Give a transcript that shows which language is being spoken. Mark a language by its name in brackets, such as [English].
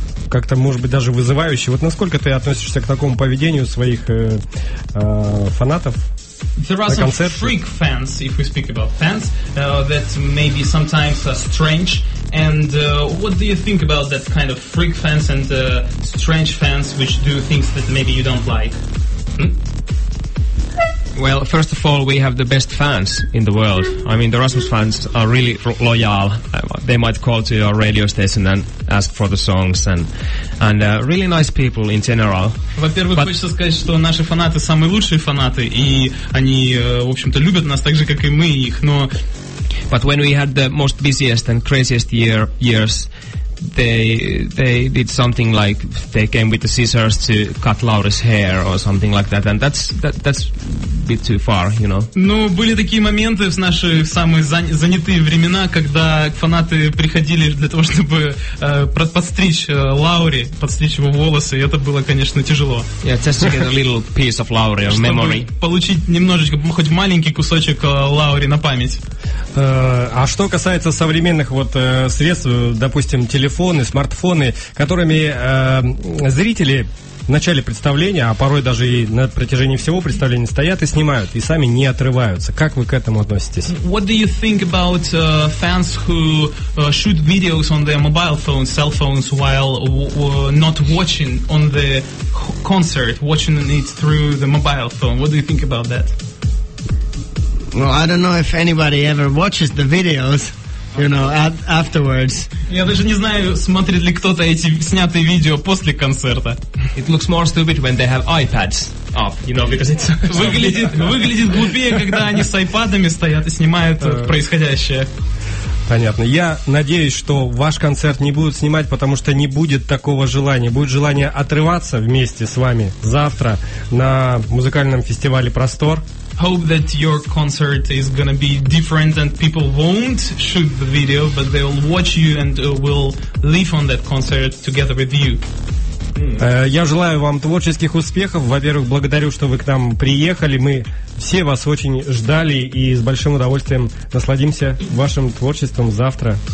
[Russian] Как-то, может быть, даже вызывающе. Вот насколько ты относишься к такому поведению своих фанатов? [English] There are some freak fans, if we speak about fans, that maybe sometimes are strange. And what do you think about that kind of freak fans and strange fans, which do things that maybe you don't like? Well, first of all, we have the best fans in the world. I mean, the Rasmus fans are really loyal. They might call to your radio station and ask for the songs and really nice people in general. [Russian] Во-первых, [English] but [Russian] хочется сказать, что наши фанаты самые лучшие фанаты, и они, в общем-то, любят нас так же, как и мы их, но... [English] But when we had the most busiest and craziest years, they did something like they came with the scissors to cut Laura's hair or something like that, and that's a bit too far, you know. [Russian] Ну, были такие моменты в наши самые занятые времена, когда фанаты приходили для того, чтобы подстричь Лауре, подстричь его волосы, и это было, конечно, тяжело. [English] Yeah, just to get a little piece of Laura, or memory. [Russian] Чтобы получить немножечко, хоть маленький кусочек Лауре на память. А что касается современных вот средств, допустим, телефоны, смартфоны, которыми зрители в начале представления, а порой даже и на протяжении всего представления стоят и снимают, и сами не отрываются. Как вы к этому относитесь? [English] What do you think about fans who shoot videos on their mobile phones, cell phones, while not watching on the concert, watching it through the mobile phone? What do you think about that? Well, I don't know if anybody ever watches the videos, you know, afterwards. [Russian] Я даже не знаю, смотрит ли кто-то эти снятые видео после концерта. [English] It looks more stupid when they have iPads off, you know, because it's... [Russian] выглядит глупее, когда они с айпадами стоят и снимают происходящее. Понятно. Я надеюсь, что ваш концерт не будут снимать, потому что не будет такого желания. Будет желание отрываться вместе с вами завтра на музыкальном фестивале «Простор». [English] Hope that your concert is gonna be different and people won't shoot the video, but they'll watch you and will live on that concert together with you. [Russian] Я желаю вам творческих успехов. Во-первых, благодарю, что вы к нам приехали. Мы все вас очень ждали и с большим удовольствием насладимся вашим творчеством завтра.